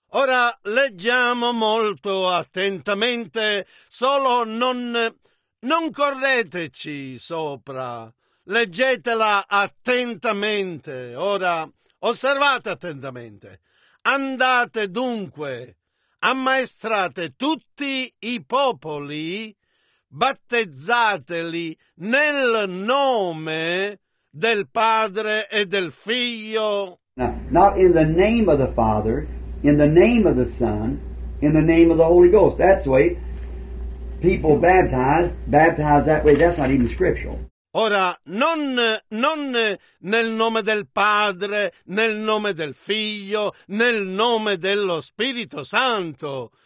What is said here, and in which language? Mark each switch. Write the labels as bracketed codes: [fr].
[it] Ora leggiamo molto attentamente, solo non correteci sopra. Leggetela attentamente. Ora osservate attentamente. Andate dunque, ammaestrate tutti i popoli, battezzateli nel nome del Padre e del Figlio. [en] Now, not in the name of the Father, in the name of the Son, in the name of the Holy Ghost. That's the way people baptize that way. That's not even scriptural. [it] Ora, non nel nome del Padre, nel nome del Figlio, nel nome dello Spirito Santo.